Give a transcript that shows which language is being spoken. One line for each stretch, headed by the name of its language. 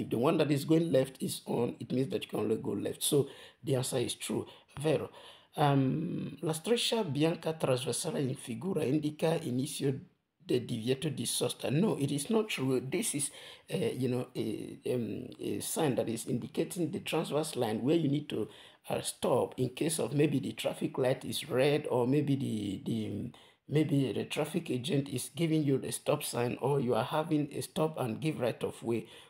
English: If the one that is going left is on, it means that you can only go left. So the answer is true. Vero.
Italian: La striscia bianca trasversale in figura indica inizio de divieto di sosta.
English: No, it is not true. This is, a sign that is indicating the transverse line where you need to stop in case of maybe the traffic light is red, or maybe the traffic agent is giving you the stop sign, or you are having a stop and give right of way.